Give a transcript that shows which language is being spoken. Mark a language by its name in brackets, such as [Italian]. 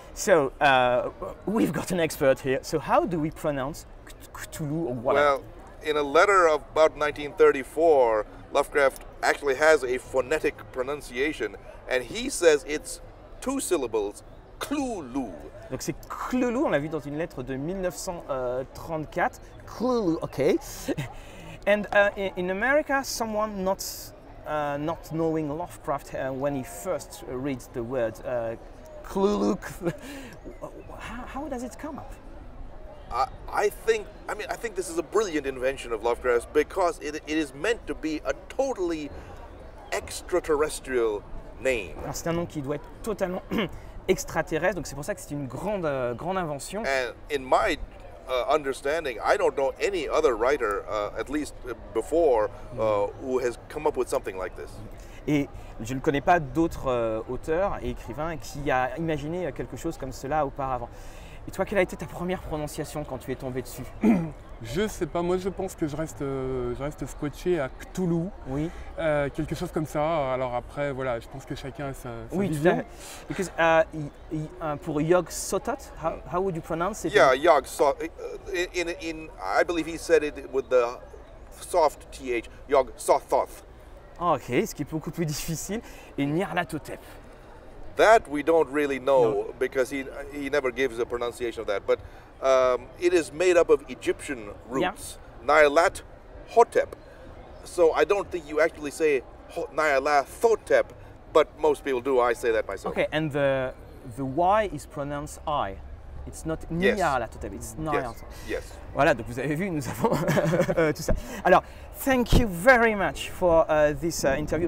[English] So, we've got an expert here. So, how do we pronounce Cthulhu or what? Well, in a letter of about 1934, Lovecraft actually has a phonetic pronunciation, and he says it's two syllables, Cthulhu. [French] Donc, c'est Cthulhu, on l'a vu dans une lettre de 1934. [English] Cthulhu, okay. And in America, someone not knowing Lovecraft when he first reads the word Cthulhu, how does it come up? I think this is a brilliant invention of Lovecraft, because it is meant to be a totally extraterrestrial name. Alors c'est un nom qui doit être totalement extraterrestre, donc c'est pour ça que c'est une grande invention. And in my understanding, I don't know any other writer, at least before, who has come up with something like this. [French] Et je ne connais pas d'autres auteurs et écrivains qui a imaginé quelque chose comme cela auparavant. Et toi, quelle a été ta première prononciation quand tu es tombé dessus? Je sais pas, moi je pense que je reste scotché à Cthulhu. Oui. Quelque chose comme ça. Alors après, voilà, je pense que chacun a sa vision. Oui, tout à fait. [English] Because pour Yog-Sothoth, how would you pronounce it? Yeah, Yog-Sothoth. In I believe he said it with the soft th, Yog-Sothoth. [French] Ok, ce qui est beaucoup plus difficile, et Nyarlathotep. [English] That we don't really know, no. Because he never gives a pronunciation of that, but it is made up of Egyptian roots, yeah. Nyarlathotep. So I don't think you actually say Nyarlathotep, but most people do. I say that myself. Okay, and the Y is pronounced I. It's not Nyarlathotep, it's Nyarlathotep. Yes. [French] Voilà, donc vous avez vu, nous avons tout ça. [English] Alors, thank you very much for this interview.